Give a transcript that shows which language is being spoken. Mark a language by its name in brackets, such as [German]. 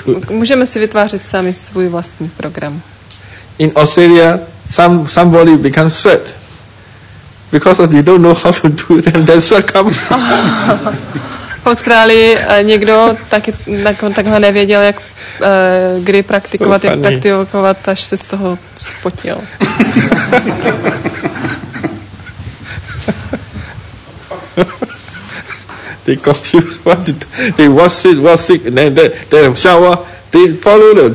[Czech] Můžeme si vytvářet sami svůj vlastní program. [English] In Australia, somebody become sweat. Because they don't know how to do it, and that's what comes. [Czech] V Austrálii někdo taky takhle nevěděl, jak kdy praktikovat, so jak praktikovat, až se z toho spotil. [English] They confused what to do. They was sick, and then shower. They follow them.